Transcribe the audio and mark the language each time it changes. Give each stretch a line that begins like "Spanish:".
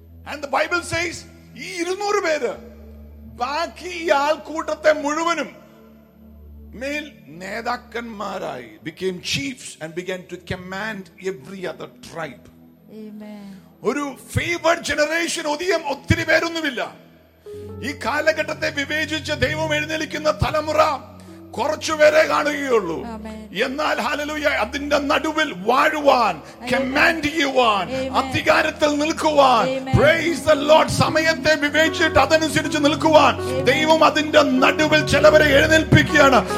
English: And the Bible says,
Malayalam: ഈ 200 പേര് ബാക്കി ഈ ആൾക്കൂട്ടത്തെ മുഴുവനും മേൽ നേതാക്കന്മാരായി.
English: Became chiefs and began to command every other tribe.
Malayalam: ഒരു
English: favored generation.
Malayalam: ഒതിയം ഒത്തിരി പേരൊന്നുമില്ല. ഈ കാലഘട്ടത്തെ വിവേചിച്ച് ദൈവം എഴുന്നേൽക്കുന്ന തലമുറ കുറച്ചുപേരെ കാണുകയുള്ളൂ. എന്നാൽ ഹല്ലേലൂയ, അതിന്റെ നടുവിൽ വാഴുവാൻ, കമാൻഡ് ചെയ്യുവാൻ, അധികാരത്തിൽ നിൽക്കുവാൻ,
English: praise the Lord,
Malayalam: സമയത്തെ വിവേചിച്ചിട്ട് അതനുസരിച്ച് നിൽക്കുവാൻ ദൈവം അതിന്റെ നടുവിൽ ചിലവരെ എഴുന്നേൽപ്പിക്കുകയാണ്.